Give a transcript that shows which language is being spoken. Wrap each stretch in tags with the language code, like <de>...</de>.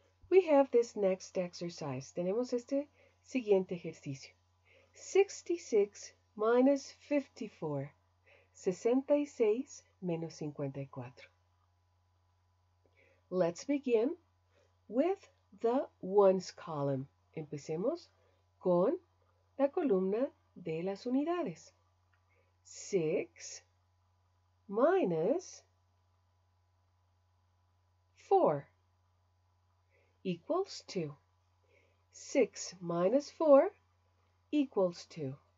<en>We have this next exercise.</en> <es>Tenemos este siguiente ejercicio.</es> <en>66 minus 54.</en> <es>66 menos 54.</es> <en>Let's begin with the ones column.</en> <es>Empecemos con la columna de las unidades.</es> <en>6 minus 4 equals 2. 6 minus 4 equals 2.</en>